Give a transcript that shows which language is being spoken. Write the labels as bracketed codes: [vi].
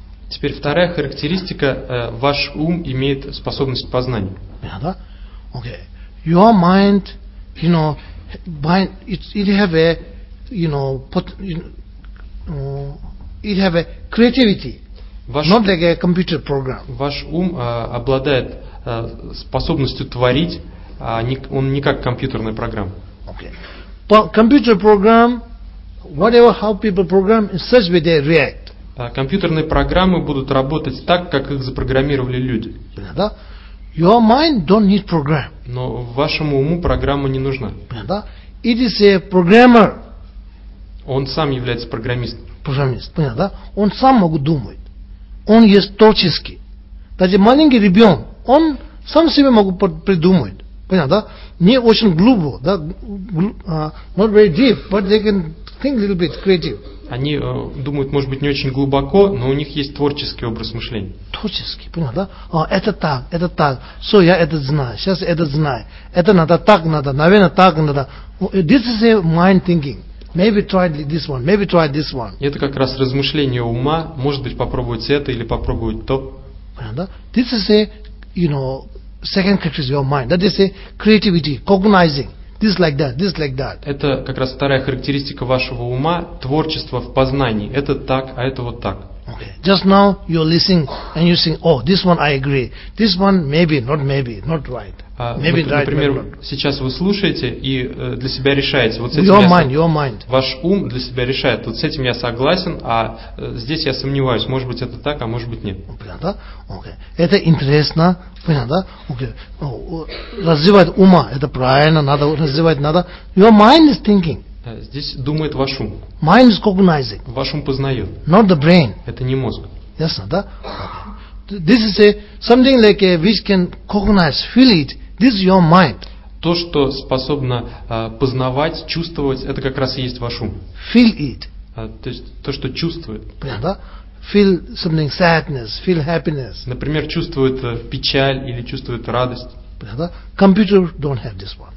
[ru] Теперь вторая характеристика — ваш ум имеет способность познания. Понятно? Окей. Okay. [en] Your mind, you know, it have a creativity, not like a computer program. [ru] Ваш ум обладает способностью творить, а он не как компьютерная программа. [en] Okay. But computer program, whatever how people program, in such way they react. [ru] Компьютерные программы будут работать так, как их запрограммировали люди. Да? [en] Your mind don't need program. [ru] Но вашему уму программа не нужна. Да? [en] It is a programmer. [ru] Он сам является программистом. Программист, понятно, да? Он сам может думать. Он есть творческий. Даже маленький ребенок, он сам себе может придумать. Понятно, да? Не очень глубоко, да? [en] Not very deep, but they can think a little bit creative. [ru] Они думают, может быть, не очень глубоко, но у них есть творческий образ мышления. Творческий, понятно, да? Это так. Все, я это знаю. Сейчас это знаю. Это надо, так надо. Наверное, так надо. [en] This is a mind thinking. Maybe try this one. Maybe try this one. [ru] Это как раз размышление ума. Может быть, попробовать это или попробовать то. Понятно? [en] This is a, you know, second characteristic of mind. That is a creativity, cognizing. This like that, this like that. [ru] Это как раз вторая характеристика вашего ума — творчество в познании. Это так, а это вот так. [en] Okay. Just now you're listening and you're saying, oh, this one I agree. This one maybe, not maybe, not right. Maybe right. [ru] Например, сейчас вы слушаете и для себя решаете. Вот с этим [en] your mind. [ru] Ваш ум для себя решает. Вот с этим я согласен, а здесь я сомневаюсь. Может быть, это так, а может быть, нет. Понятно? Okay. Это интересно. Понятно? Okay. Развивать ума — это правильно, надо развивать, надо. [en] Your mind is thinking. [ru] Здесь думает ваш ум. [en] Mind is cognizing. [ru] Ваш ум познает. [en] Not the brain. [ru] Это не мозг. Ясно, да? [en] This is a something like a which can cognize, feel it. This is your mind. [ru] То, что способно познавать, чувствовать, это как раз и есть ваш ум. [en] Feel it. [ru] То есть то, что чувствует. Понятно? [en] Feel something, sadness, feel happiness. [ru] Например, чувствует печаль или чувствует радость. Понятно? [en] Computer don't have this one.